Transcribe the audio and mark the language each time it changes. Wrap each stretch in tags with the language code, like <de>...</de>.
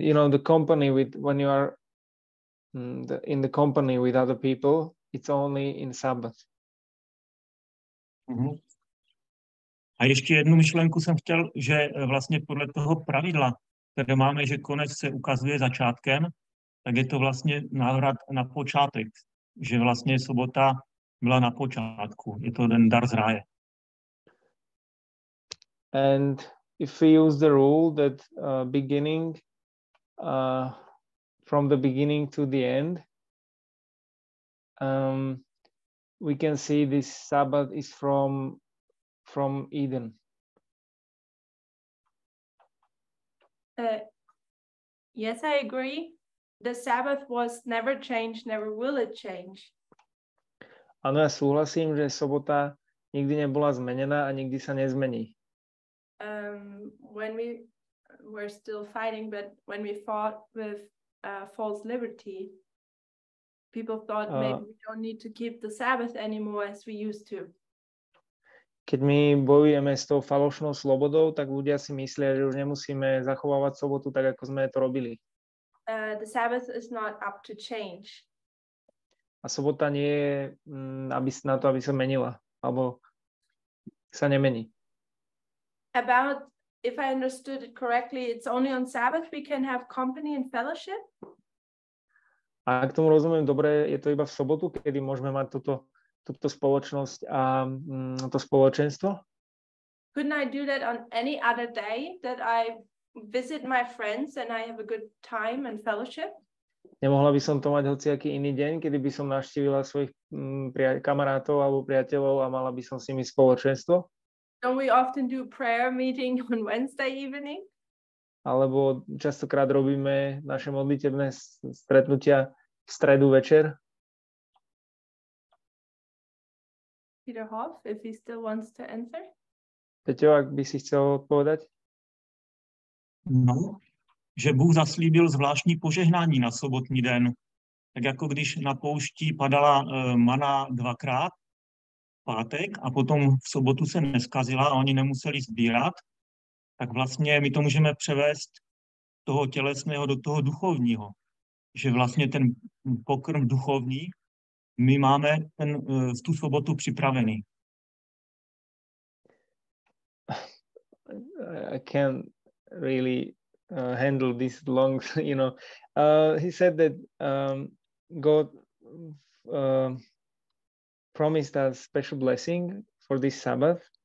<en>You know, the company with, when you are in the company with other people, it's only in Sabbath.</en> <cs>Uh-huh. A ještě jednu myšlenku jsem chtěl, že vlastně podle toho pravidla, které máme, že konec se ukazuje začátkem, tak je to vlastně návrat na počátek, že vlastně sobota byla na počátku. Je to ten dar z ráje.</cs> <en>And if we use the rule that beginning, from the beginning to the end, we can see this Sabbath is from Eden. Yes, I agree. The Sabbath was never changed, never will it change.</en> <sk>Ano, ja súhlasím, že sobota nikdy nebola zmenená a nikdy sa nezmení.</sk> <en>When we were still fighting, but when we fought with false liberty, people thought maybe we don't need to keep the Sabbath anymore as we used to.</en> <sk>keď my bojujeme s tou falošnou slobodou, tak ľudia si myslia, že už nemusíme zachovávať sobotu tak, ako sme to robili.</sk> <en>The Sabbath is not up to change.</en> <sk>A sobota nie je na to, aby sa menila, alebo sa nemení.</sk> <en>About, if I understood it correctly, it's only on Sabbath we can have company and fellowship?</en> <sk>A ak tomu rozumiem dobre, je to iba v sobotu, kedy môžeme mať túto spoločnosť a to spoločenstvo?</sk> <en>Couldn't I do that on any other day that I visit my friends and I have a good time and fellowship?</en> <sk>Nemohla by som to mať hociaký iný deň, kedy by som navštívila svojich kamarátov alebo priateľov a mala by som s nimi spoločenstvo?</sk> <en>Don't we often do prayer meeting on Wednesday evening?</en> <sk>Alebo častokrát robíme naše modlitebné stretnutia v stredu večer?</sk> <en>Peter Hoff, if he still wants to answer.</en> <sk>Peťo, ak by si chcel odpovedať?</sk> <cs>No, že Bůh zaslíbil zvláštní požehnání na sobotní den. Tak jako když na poušti padala mana dvakrát v pátek a potom v sobotu se neskazila a oni nemuseli sbírat, tak vlastně my to můžeme převést toho tělesného do toho duchovního. Že vlastně ten pokrm duchovní, my máme ten, tu sobotu připravený.</cs> <en>I can't really handle this long, you know. He said that God promised us special blessing for this Sabbath.</en>